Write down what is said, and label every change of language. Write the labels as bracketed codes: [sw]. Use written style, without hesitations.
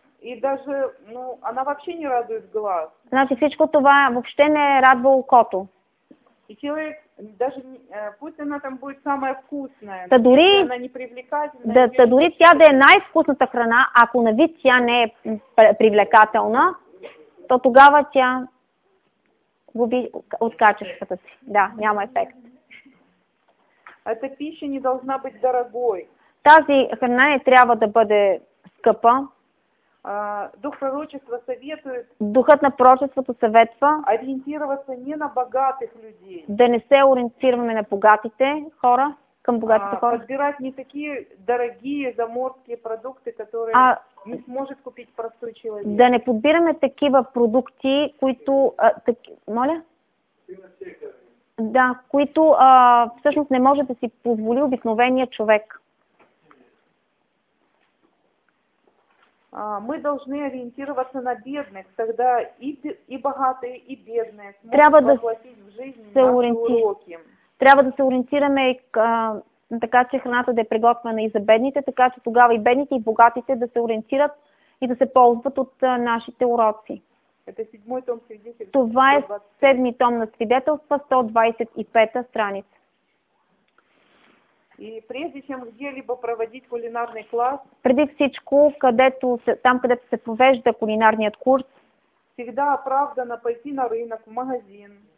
[ru] И даже, она вообще не радует глаз. [bg] Значи всичко това въобще не радва окото. [ru] И человек даже, пусть она там будет самая вкусная, [bg] та дори, [ru] она не привлекательна. [bg] Дори тя да е най-вкусната храна, ако на вид тя не е привлекателна, то тогава тя губи от качествата си. Да, няма ефект. [ru] Эта пища не должна быть дорогой. [bg] Тази храна не трябва да бъде скъпа. [ru] Дух пророчества советует. [bg] Духът на пророчеството съветва. [ru] Ориентироваться не на богатых людей. [bg] Да не се ориентираме на богатите хора, към богатите хора. [ru] Подбирать не такие дорогие заморские продукты, которые не сможет купить простой человек. [bg] Да не подбираме такива продукти, които моля? Да, които всъщност не може да си позволи обикновения човек. [ru] Мы должны ориентироваться на бедных, тогда и богатые, и бедные смогут [bg] трябва [ru] воплотить [bg] да [ru] в жизнь наши уроки. [bg] Трябва да се ориентираме така, че храната да е приготвена и за бедните, така че тогава и бедните, и богатите да се ориентират и да се ползват от нашите уроки. [ru] Это седьмой том свидетелства. [bg] Това е седми том на свидетелства, 125-та страница. [ru] И прежде чем где-либо проводить кулинарный класс, [bg] преди всичко, където се провежда кулинарният курс, [ru] всегда оправдано пойти на рынок, в магазин.